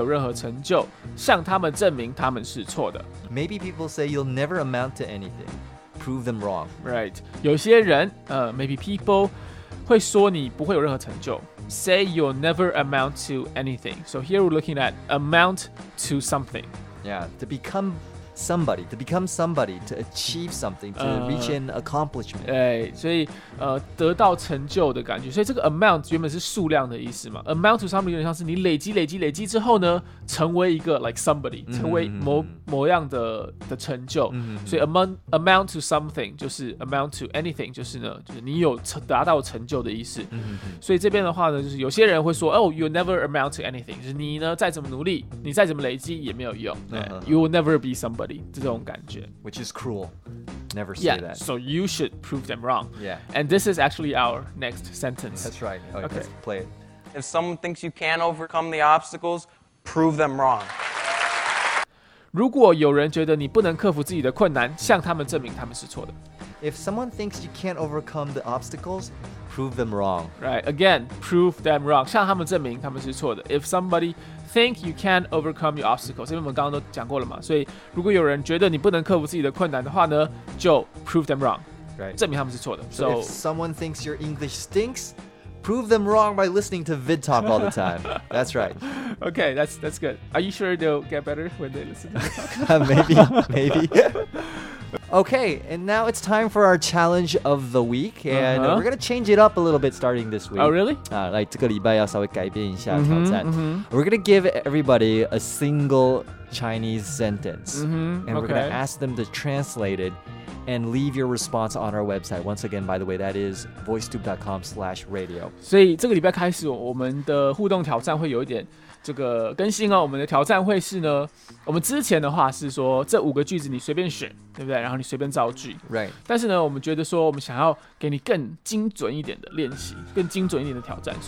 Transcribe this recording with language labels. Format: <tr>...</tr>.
<zh>也许有些人会说你永远不会有任何成就，向他们证明他们是错的。</zh> <en>Maybe people say you'll never amount to anything. Prove them wrong. Right.</en> <zh>有些人,</zh> <en>maybe people</en> <zh>会说你不会有任何成就。</zh> <en>Say you'll never amount to anything. So here we're looking at amount to something. Yeah, to become somebody, to become somebody, to achieve something, to reach an accomplishment.</en> <zh>对，所以得到成就的感觉。所以这个 amount 原本是数量的意思嘛。Amount to something 有点像是你累积累积累积之后呢，成为一个</zh> <en>like somebody,</en> <zh>成为某样的成就。所以 amount to something 就是 amount to anything 就是呢，就是你有达到成就的意思。所以这边的话呢，就是有些人会说，哦，</zh> <en>you'll never amount to anything，</en> <zh>就是你呢再怎么努力，你再怎么累积也没有用。</zh> <en>You will never be somebody.</en> <zh>这种感觉,</zh> <en>which is cruel. Never say yeah, that. So you should prove them wrong. Yeah. And this is actually our next sentence. That's right. Okay, okay. Let's play it. If someone thinks you can overcome the obstacles, prove them wrong.</en> <zh>如果有人觉得你不能克服自己的困难，向他们证明他们是错的。</zh> <en>If someone thinks you can't overcome the obstacles, prove them wrong. Right, again, prove them wrong.</en> <zh>向他们证明他们是错的。</zh> <en>If somebody think you can't overcome your obstacles,</en> <zh>因为我们刚刚都讲过了嘛，所以如果有人觉得你不能克服自己的困难的话呢，就</zh> <en>prove them wrong. Right,</en> <zh>证明他们是错的。</zh> <en>So if someone thinks your English stinks, prove them wrong by listening to VidTalk all the time. That's right. Okay, that's good. Are you sure they'll get better when they listen to VidTalk? maybe. Okay, and now it's time for our challenge of the week, and we're going to change it up a little bit starting this week. Oh, really?</en> <zh>这个礼拜要稍微改变一下挑战。</zh> <en>We're going to give everybody a single Chinese sentence, and we're going to ask them to translate it, and leave your response on our website. Once again, by the way, that is voicetube.com/radio.</en> <zh>所以这个礼拜开始，我们的互动挑战会有一点这个更新哦，我们的挑战会是呢，我们之前的话是说这五个句子你随便选，对不对？然后你随便造句。</zh> <en>Right.</en> <zh>但是呢，我们觉得说我们想要给你更精准一点的练习，更精准一点的挑战。</zh>